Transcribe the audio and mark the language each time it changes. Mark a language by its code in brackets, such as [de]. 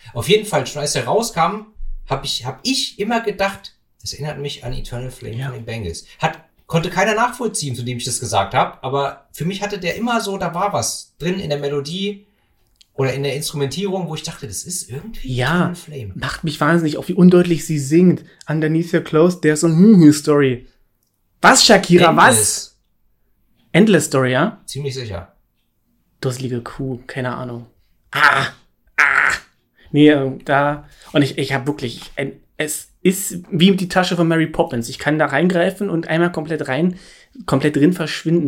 [de] Auf jeden Fall, schon als der rauskam, hab ich immer gedacht, das erinnert mich an Eternal Flame von den Bengals. Konnte keiner nachvollziehen, zu dem ich das gesagt habe, aber für mich hatte der immer so, da war was drin in der Melodie, oder in der Instrumentierung, wo ich dachte, das ist irgendwie ja, Twin Flame. Ja, macht mich wahnsinnig, auch wie undeutlich sie singt. [en] Underneath Your Clothes, there's a new story. [de] Was, Shakira, Endless. Was? Endless Story, ja? Ziemlich sicher. Dusselige Kuh, keine Ahnung. Ah, ah. Nee, da, und ich habe wirklich, es ist wie die Tasche von Mary Poppins. Ich kann da reingreifen und einmal komplett drin verschwinden.